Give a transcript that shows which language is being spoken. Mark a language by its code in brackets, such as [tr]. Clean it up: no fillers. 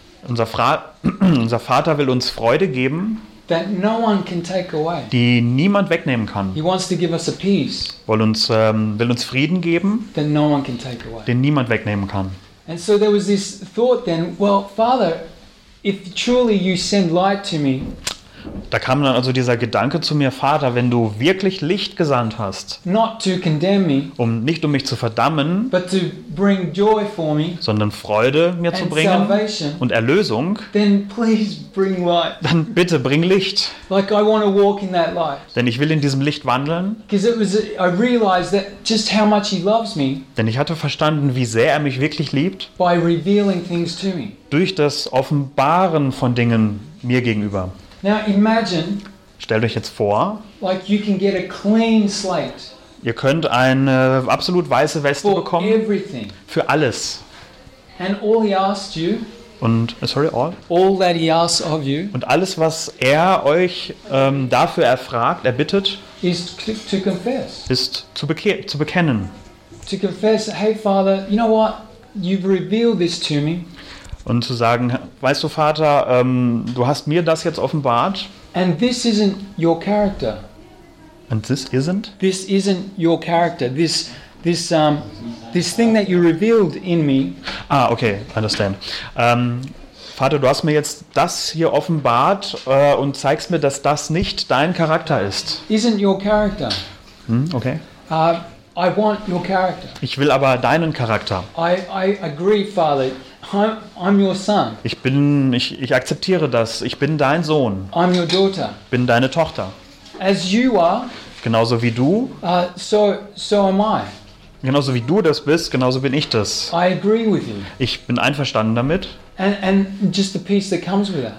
[de] Unser Vater will uns Freude geben, [en] that no one can take away. [de] Die niemand wegnehmen kann. [en] He wants to give us a peace. [de] Will uns Frieden geben, [en] that no one can take away. [de] Den niemand wegnehmen kann. [en] And so there was this thought then, well, Father, if truly you send light to me, [de] da kam dann also dieser Gedanke zu mir, Vater, wenn du wirklich Licht gesandt hast, [en] not to condemn me, [de] nicht um mich zu verdammen, [en] but to bring joy for me, [de] sondern Freude mir zu bringen [en] salvation, [de] und Erlösung, [en] then please bring light. [de] Dann bitte bring Licht. [en] Like I want to walk in that light. [de] Denn ich will in diesem Licht wandeln. [en] I realized that just how much he loves me, [de] denn ich hatte verstanden, wie sehr er mich wirklich liebt, [en] by revealing things to me. [de] Durch das Offenbaren von Dingen mir gegenüber. [en] Now imagine, [de] stellt euch jetzt vor, [en] like you can get a clean slate, [de] ihr könnt eine absolut weiße Weste bekommen, [en] everything, [de] für alles. [en] And all he asked you, und, sorry, all? All that he asked of you, [de] und alles, was er euch dafür erfragt, erbittet, [en] is to confess, [de] ist zu bekennen. [en] To confess, hey Father, you know what, you've revealed this to me. [de] Und zu sagen, weißt du, Vater, du hast mir das jetzt offenbart. [en] And this isn't your character. And this isn't? This isn't your character. This thing that you revealed in me. Ah, okay, understand. [de] Vater, du hast mir jetzt das hier offenbart und zeigst mir, dass das nicht dein Charakter ist. [en] Isn't your character. Okay. I want your character. [de] Ich will aber deinen Charakter. [en] I agree, Father. I'm your son. [de] Ich akzeptiere das. Ich bin dein Sohn. [en] I'm your daughter. [de] Bin deine Tochter. [en] As you are. [de] Genauso wie du. [en] So am I. [de] Genauso wie du das bist, genauso bin ich das. [en] I agree with you. [de] Ich bin einverstanden damit. [en] And just the peace that comes with that.